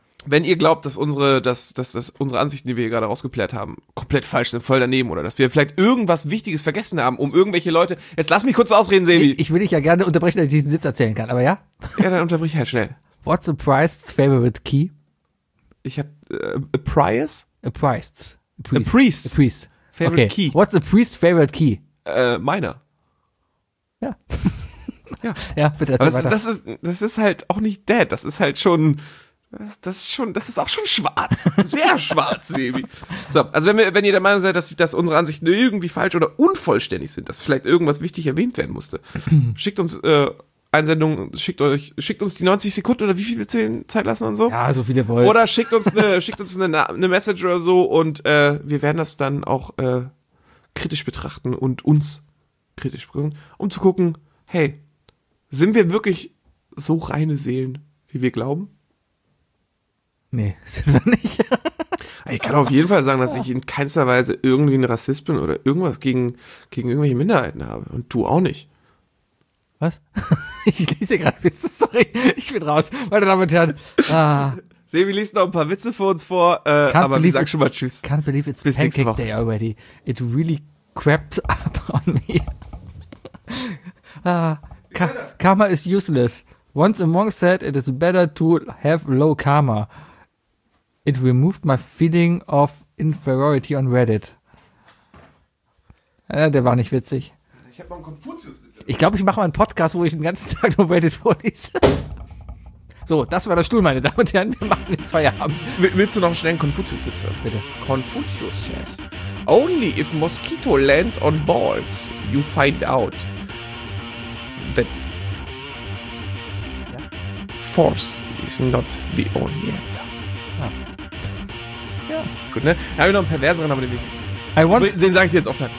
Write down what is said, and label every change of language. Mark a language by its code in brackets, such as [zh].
[de] Wenn ihr glaubt, dass unsere Ansichten, die wir hier gerade rausgeplärt haben, komplett falsch sind, voll daneben, oder dass wir vielleicht irgendwas Wichtiges vergessen haben, um irgendwelche Leute, jetzt lass mich kurz ausreden, Sebi. Ich will dich ja gerne unterbrechen, damit ich diesen Sitz erzählen kann, aber ja. Ja, dann unterbrich halt schnell. [en] What's a priest's favorite key? [de] Ich hab, [en] a prius? A priest. A priest. A priest. Favorite okay. Key. What's a priest's favorite key? [de] Meiner. Ja. Ja. Ja, bitte. Aber das ist halt auch nicht dead. Das ist halt schon. Das ist auch schon schwarz. Sehr schwarz, Sebi. So, also wenn ihr der Meinung seid, dass unsere Ansichten irgendwie falsch oder unvollständig sind, dass vielleicht irgendwas wichtig erwähnt werden musste, schickt uns Einsendung, schickt uns die 90 Sekunden oder wie viel willst du denen Zeit lassen und so? Ja, so viele wollen. Oder schickt uns eine Message oder so und wir werden das dann auch kritisch betrachten und uns kritisch bringen, um zu gucken, hey, sind wir wirklich so reine Seelen, wie wir glauben? Nee, sind wir nicht. Ich kann auf jeden Fall sagen, dass ich in keinster Weise irgendwie ein Rassist bin oder irgendwas gegen irgendwelche Minderheiten habe und du auch nicht. Was? Ich lese gerade Witze, sorry, ich bin raus. Meine Damen und Herren. Sebi liest noch ein paar Witze für uns vor, aber ich sag schon mal Tschüss. [en] Can't believe it's Pancake Day already. It really crept up on me. Karma is useless. Once a monk said it is better to have low karma. It removed my feeling of inferiority on Reddit. [de] Der war nicht witzig. Ich hab mal einen Konfuzius-Witz. Ich glaube, ich mache mal einen Podcast, wo ich den ganzen Tag nur Reddit vorlese. So, das war der Stuhl, meine Damen und Herren. Wir machen jetzt Feierabend. Willst du noch schnell einen Konfuzius-Witz hören? Bitte. [en] Konfuzius says, only if mosquito lands on balls, you find out that force is not the only answer. [de] Ah. Ja. Gut, ne? Da habe ich noch einen perverseren, aber den Weg. Den sag ich dir jetzt offline.